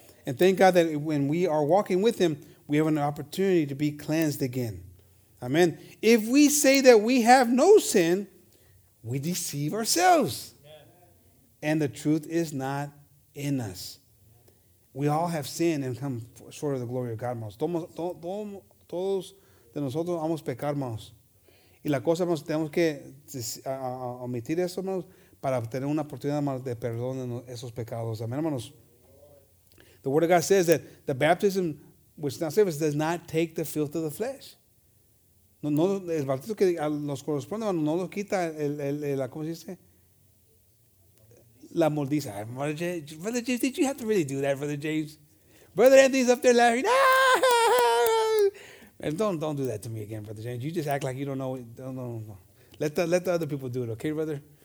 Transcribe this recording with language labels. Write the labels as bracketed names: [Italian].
[English] And thank God that when we are walking with him, we have an opportunity to be cleansed again. Amen. If we say that we have no sin, we deceive ourselves. And the truth is not in us. We all have sinned and come short of the glory of God, hermanos. [Spanish] Todos de nosotros vamos a pecar, hermanos. Y la cosa, hermanos, tenemos que omitir eso, hermanos, para obtener una oportunidad, hermanos, de perdón de esos pecados. Amén, hermanos. [English] The Word of God says that the baptism which now saves does not take the filth of the flesh. [Spanish] No, el bautismo que nos corresponde, hermanos, no lo quita ¿cómo se dice? La moldiza. [English] Brother James, did you have to really do that, Brother James? Brother Anthony's up there laughing. Ah! And don't do that to me again, Brother James. You just act like you don't know. No. Let the other people do it, okay, brother?